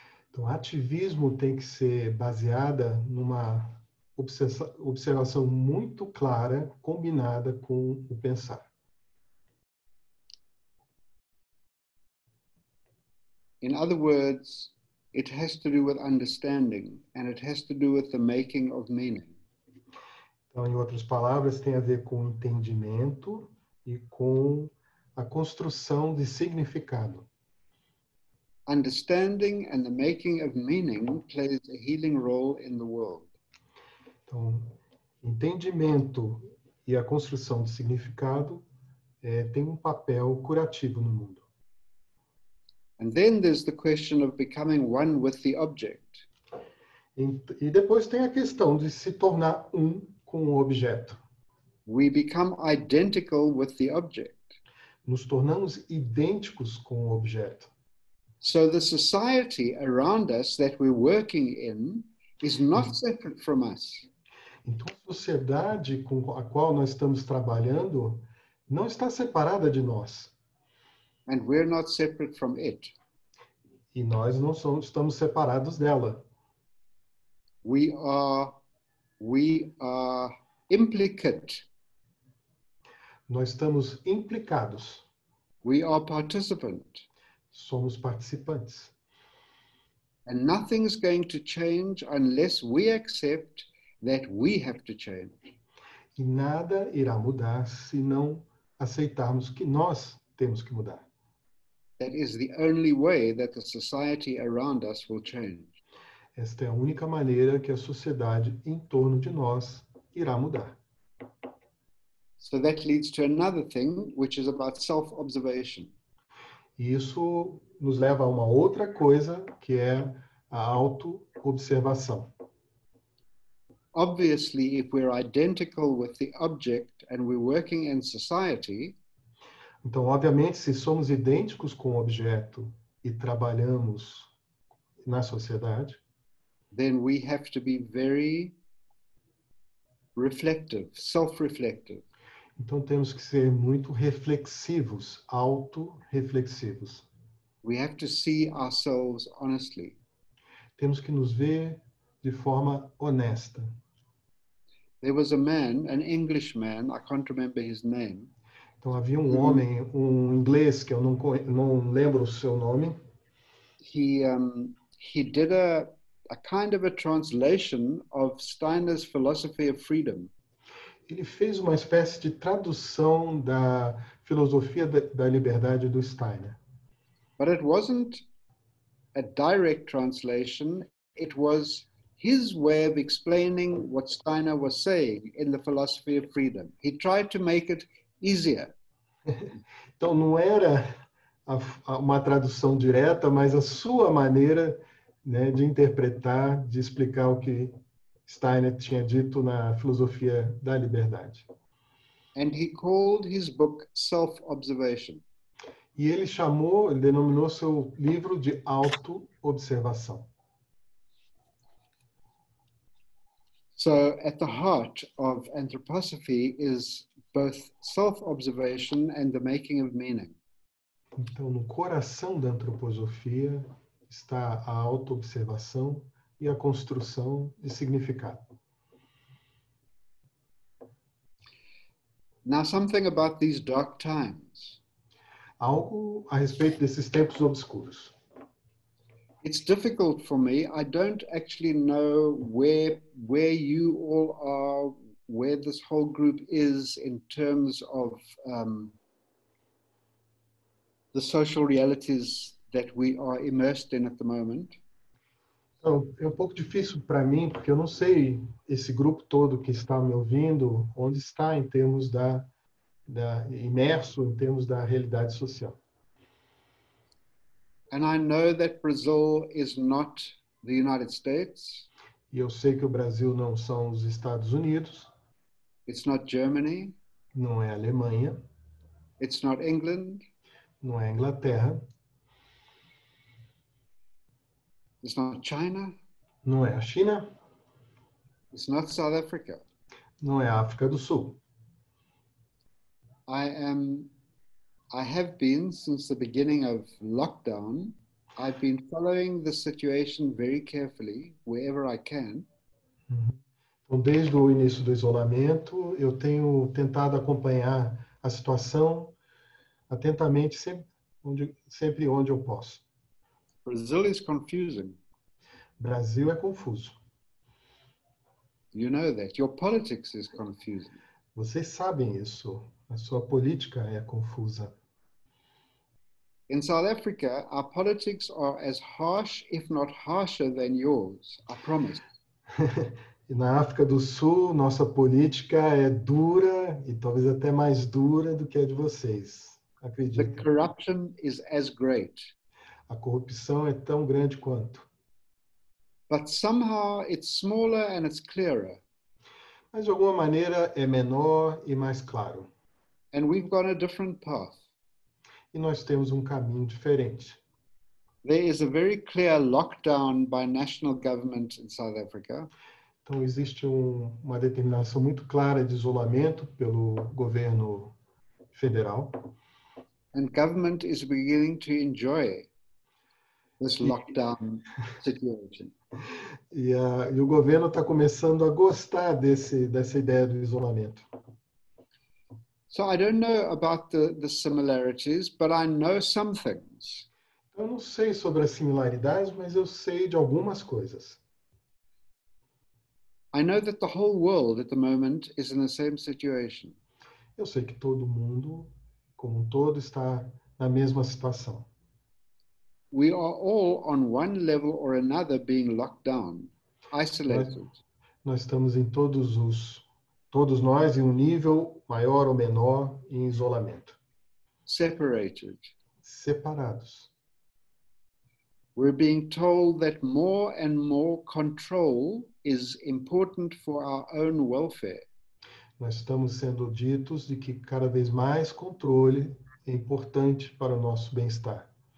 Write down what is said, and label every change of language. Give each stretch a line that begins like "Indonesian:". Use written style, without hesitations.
Portuguese: Então, ativismo tem que ser baseada numa observação muito clara combinada com o pensar.
English: In other words, it has to do with understanding and it has to do with the making of meaning.
Portuguese: Então, em outras palavras, tem a ver com entendimento e com a construção de significado.
English: Understanding and the making of meaning plays a healing role in the world.
Portuguese: Então, entendimento e a construção de significado tem um papel curativo no mundo.
English: And then there's the question of becoming one with the object.
Portuguese: E depois tem a questão de se tornar um com o objeto.
English: We become identical with the object.
Portuguese: Nos tornamos idênticos com o objeto.
English: So the society around us that we're working in is not separate from us.
Portuguese: Então, a sociedade com a qual nós estamos trabalhando não está separada de nós.
English: And we're not separate from it.
Portuguese: E nós não somos, estamos separados dela.
English: We are implicate.
Portuguese: Nós estamos implicados.
English: We are participant.
Portuguese: Somos participantes.
English: And nothing's going to change unless we accept that we have to change.
Portuguese: E nada irá mudar se não aceitarmos que nós temos que mudar.
English: That is the only way that the society around us will change.
Portuguese: Esta é a única maneira que a sociedade em torno de nós irá mudar.
English: So that leads to another thing, which is about self-observation.
Portuguese: Isso nos leva a uma outra coisa, que é a auto-observação.
English: Obviously, if we're identical with the object and we're working in society,
Portuguese: então, obviamente, se somos idênticos com o objeto e trabalhamos na sociedade,
English: then we have to be very reflective, self-reflective.
Portuguese: Então, temos que ser muito reflexivos, auto-reflexivos.
English: We have to see ourselves honestly.
Portuguese: Temos que nos ver de forma honesta.
English: There was a man, an English man, I can't remember his name.
Portuguese: Então, havia um homem, um inglês, que eu não lembro o seu nome.
English: He did a kind of a translation of Steiner's philosophy of freedom.
Portuguese: Ele fez uma espécie de tradução da filosofia da liberdade do Steiner.
English: But it wasn't a direct translation. It was his way of explaining what Steiner was saying in the philosophy of freedom. He tried to make it easier.
Portuguese: Então, não era uma tradução direta, mas a sua maneira, né, de interpretar, de explicar o que Steiner tinha dito na filosofia da liberdade.
English: And he called his book Self-Observation.
Portuguese: E ele chamou, ele denominou seu livro de auto-observação.
English: So, at the heart of anthroposophy is both self-observation and the making of meaning.
Portuguese: Então, no coração da antroposofia está a auto-observação e a construção de significado.
English: Now, something about these dark times.
Portuguese: Algo a respeito desses tempos obscuros.
English: It's difficult for me. I don't actually know where you all are, where this whole group is in terms of the social realities that we are immersed in at the moment.
Portuguese: Então, é um pouco difícil para mim, porque eu não sei esse grupo todo que está me ouvindo, onde está em termos da imerso em termos da realidade social.
English: And I know that Brazil is not the United States.
Portuguese: E eu sei que o Brasil não são os Estados Unidos.
English: It's not Germany.
Portuguese: Não é a Alemanha.
English: It's not England.
Portuguese: Não é a Inglaterra.
English: It's not China.
Portuguese: Não é a China.
English: It's not South Africa.
Portuguese: Não é a África do Sul.
English: I have been since the beginning of lockdown. I've been following the situation very carefully wherever I can.
Portuguese: Então, desde o início do isolamento, eu tenho tentado acompanhar a situação atentamente sempre onde eu posso.
English: Brazil is confusing.
Portuguese: Brasil é confuso.
English: You know that your politics is confusing.
Portuguese: Vocês sabem isso. A sua política é confusa.
English: In South Africa, our politics are as harsh, if not harsher, than yours. I promise.
Portuguese: E na África do Sul, nossa política é dura e talvez até mais dura do que a de vocês. Acredito.
English: The corruption is as great.
Portuguese: A corrupção é tão grande quanto.
English: But somehow it's smaller and it's clearer.
Portuguese: Mas de alguma maneira é menor e mais claro.
English: And we've gone a different path.
Portuguese: E nós temos um caminho diferente.
English: There is a very clear lockdown by national government in South Africa.
Portuguese: Então, existe uma determinação muito clara de isolamento pelo governo federal.
English: And government is beginning to enjoy this lockdown situation.
Portuguese: E o governo está começando a gostar dessa ideia do isolamento.
English: So I don't know about the similarities, but I know some things.
Portuguese: Eu não sei sobre as similaridades, mas eu sei de algumas coisas.
English: I know that the whole world at the moment is in the same situation.
Portuguese: Eu sei que todo mundo, como um todo, está na mesma situação.
English: We are all on one level or another being locked down, isolated.
Portuguese: Nós estamos em todos nós em um nível maior ou menor em isolamento.
English: Separated.
Portuguese: Separados.
English: We're being told that more and more control is important for our own welfare.
Portuguese: Nós estamos sendo ditos de que cada vez mais controle é importante para o nosso bem-estar.